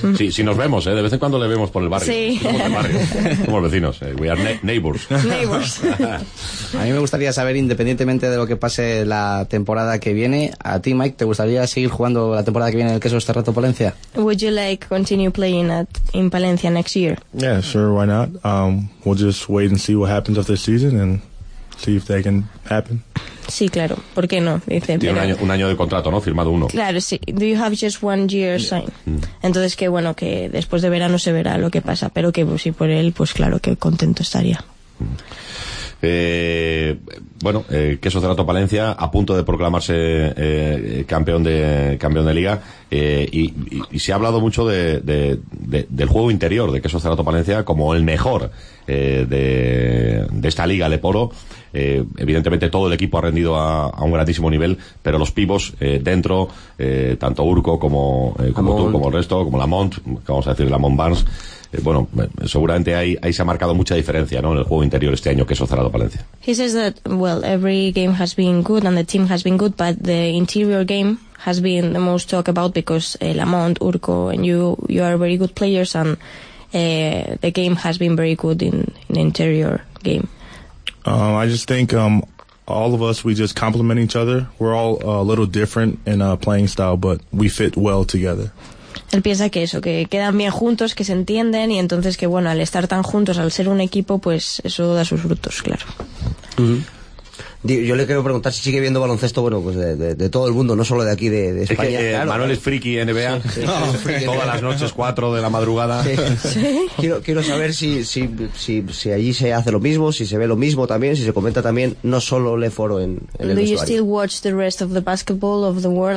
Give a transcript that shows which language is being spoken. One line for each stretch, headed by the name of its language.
Spanish: Sí, sí nos vemos, ¿eh? De vez en cuando le vemos por el barrio. Sí. Somos vecinos, ¿eh?
English: We are neighbors. Neighbors.
Spanish: A mí me gustaría saber, independientemente de lo que pase la temporada que viene, ¿a ti, Mike, te gustaría seguir jugando la temporada que viene en el Quesos de Rato Palencia?
English: Would you like continue playing in Palencia next year? Yeah, sure, why not? We'll just wait and see what happens after the season and see if that can happen.
Spanish: Sí, claro. ¿Por qué no? Dice, tiene pero... un año de contrato, ¿no? Firmado uno. Claro, sí.
English: Do you have just 1 year sign? Yeah.
Spanish: Entonces, que bueno, que después de verano se verá lo que pasa. Pero que pues, si por él, pues claro, que contento estaría. Quesos de Rato Palencia, a punto de proclamarse campeón de liga. Y se ha hablado mucho del juego interior de Quesos de Rato Palencia como el mejor de esta liga, Leporo. Evidentemente todo el equipo ha rendido a un grandísimo nivel, pero los pibos dentro, tanto Urko como tú, como el resto, como Lamont, vamos a decir Lamont Barnes, bueno, seguramente ahí se ha marcado mucha diferencia, ¿no? En el juego interior este año que eso ha cerrado Palencia.
English: He says that, well, every game has been good and the team has been good, but the interior game has been the most talked about because Lamont, Urko and you are very good players and the game has been very good in the interior game. I just think all of us, we just complement each other. We're all a little different in our playing style, but we fit well together.
Spanish: Él piensa que eso, que quedan bien juntos, que se entienden, y entonces que bueno, al estar tan juntos, al ser un equipo, pues eso da sus frutos, claro. Mm-hmm. Yo le quiero preguntar si sigue viendo baloncesto, bueno, pues de todo el mundo, no solo de aquí, de España. Es que, claro, Manuel es friki NBA, sí, sí. No, todas las noches 4 de la madrugada. Sí. ¿Sí? Quiero saber si allí se hace lo mismo, si se ve lo mismo también, si se comenta también, no solo Leporo en el vestuario. vestuario.
English: You still watch the rest of the basketball of the world?